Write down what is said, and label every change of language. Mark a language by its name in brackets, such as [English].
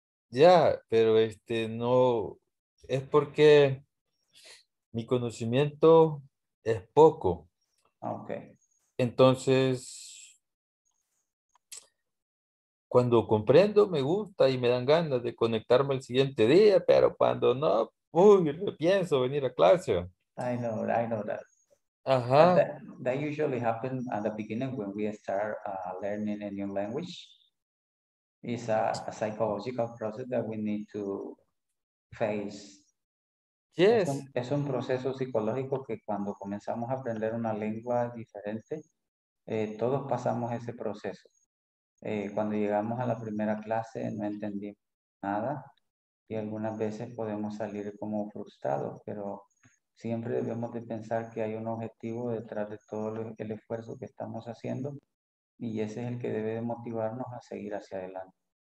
[Spanish] Ya, pero no, es porque mi conocimiento es poco. Ok. Entonces, cuando comprendo me gusta y me dan ganas de conectarme el siguiente día, pero cuando no... Uy, pienso venir a clase. [English] I know that. [Spanish] Ajá. [English] That usually happens at the beginning when we start learning a new language. It's a psychological process that we need to face. Yes. [Spanish] Es un proceso psicológico que cuando comenzamos a aprender una lengua diferente, todos pasamos ese proceso. Cuando llegamos a la primera clase, no entendimos nada. Y algunas veces podemos salir como frustrados, pero siempre debemos de pensar que hay un objetivo detrás de todo el esfuerzo que estamos haciendo, y ese es el que debe de motivarnos a seguir hacia adelante.